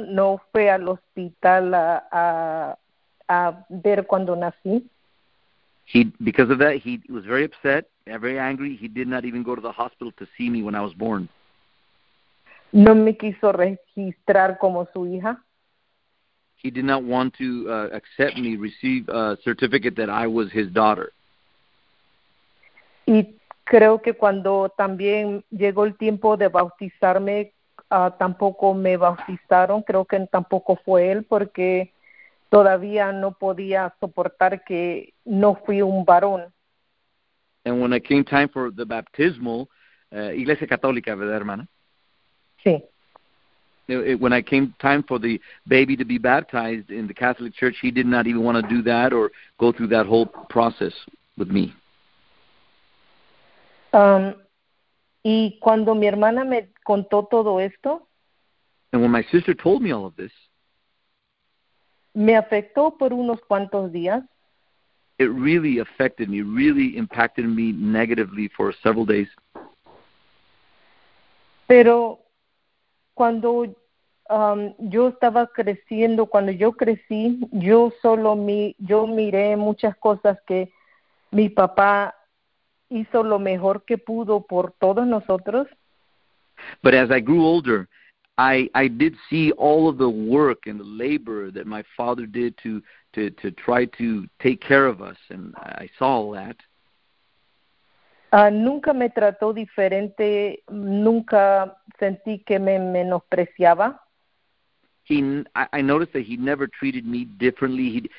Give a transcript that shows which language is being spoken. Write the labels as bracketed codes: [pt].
[es] No fue al hospital a ver cuando nací. [en] Because of that, he was very upset, very angry. He did not even go to the hospital to see me when I was born. [es] No me quiso registrar como su hija. [en] He did not want to accept me, receive a certificate that I was his daughter. [es] Y creo que cuando también llegó el tiempo de bautizarme, tampoco me bautizaron. Creo que tampoco fue él porque todavía no podía soportar que no fui un varón. [en] And when it came time for the baptismal, [es] Iglesia Católica, ¿verdad, hermana? Sí. [en] when I came time for the baby to be baptized in the Catholic Church, he did not even want to do that or go through that whole process with me. [es] Y cuando mi hermana me contó todo esto, [en] and when my sister told me all of this, [es] me afectó por unos cuantos días. [en] It really affected me, really impacted me negatively for several days. [es] Pero cuando yo estaba creciendo, cuando yo crecí, yo miré muchas cosas que mi papá hizo lo mejor que pudo por todos nosotros. [en] But as I grew older, I did see all of the work and the labor that my father did to try to take care of us, and I saw all that. [es] Nunca me trató diferente, nunca sentí que me menospreciaba. [en] I noticed that he never treated me differently.